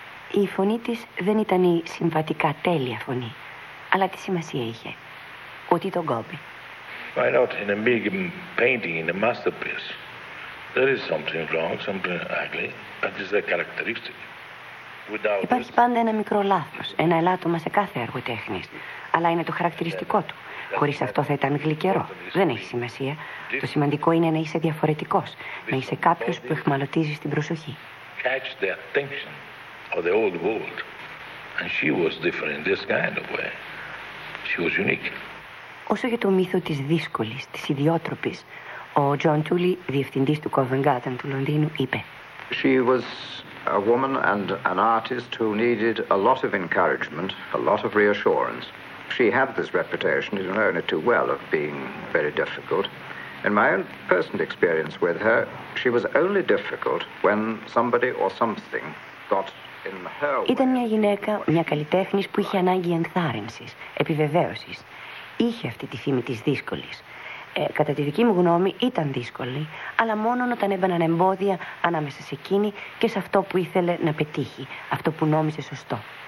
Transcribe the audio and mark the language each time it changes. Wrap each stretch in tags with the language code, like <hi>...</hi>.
<el>Η φωνή της δεν ήταν η συμβατικά τέλεια φωνή, αλλά τι σημασία είχε. Ότι τον κόμπι.</el> <en>Why not in a big painting, in a masterpiece? There is something wrong, something ugly, but it's a characteristic.</en> <el>Υπάρχει πάντα ένα μικρό λάθος, ένα ελάττωμα σε κάθε έργο τέχνης. Αλλά είναι το χαρακτηριστικό του. Χωρίς αυτό θα ήταν γλυκερό. Δεν έχει σημασία. Το σημαντικό είναι να είσαι διαφορετικός, να είσαι κάποιος που εχμαλωτίζει την προσοχή.</el> <en>Catch the attention of the old world. And she was different in this kind of way. She was unique.</en> <el>Όσο για το μύθο της δύσκολης, της ιδιότροπης, ο Τζον Τούλι, διευθυντής του Covent Garden του Λονδίνου, είπε.</el> <en>She was a woman and an artist who needed a lot of encouragement, a lot of reassurance. She had this reputation, you know it too well, of being very difficult. In my own personal experience with her, she was only difficult when somebody or something got in her way.</en> <el>Ήταν μια γυναίκα, μια καλλιτέχνης που είχε ανάγκη ενθάρρυνσης, επιβεβαίωσης. Είχε αυτή τη φήμη της δύσκολης. Κατά τη δική μου γνώμη ήταν δύσκολη, αλλά μόνο όταν έμπαιναν εμπόδια ανάμεσα σε εκείνη και σε αυτό που ήθελε να πετύχει, αυτό που νόμιζε σωστό.</el>